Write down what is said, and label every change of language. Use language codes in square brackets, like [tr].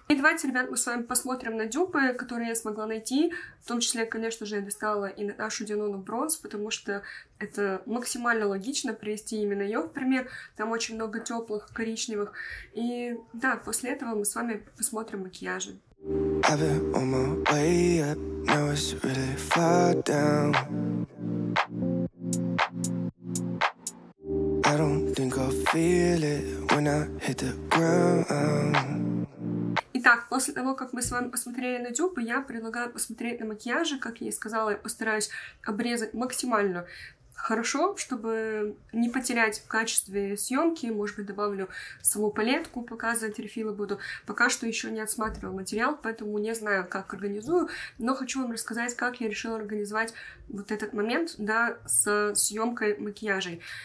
[ru] И давайте, ребят, мы с вами посмотрим на дюпы, которые я смогла найти. В том числе, конечно же, я достала и Наташу Дианону Бронз, потому что это максимально логично привести именно ее в пример. Там очень много теплых коричневых. И да, после этого мы с вами посмотрим макияжи. [en] Have it on my way up, now it's really far down. I don't think I'll feel it when I hit the ground. [ru] Итак, после того, как мы с вами посмотрели на дюпы, я предлагаю посмотреть на макияжи. Как я и сказала, я постараюсь обрезать максимально хорошо, чтобы не потерять в качестве съемки, может быть, добавлю саму палетку, показывать рефилы буду. Пока что еще не отсматривал материал, поэтому не знаю, как организую, но хочу вам рассказать, как я решила организовать вот этот момент, да, со съемкой макияжей.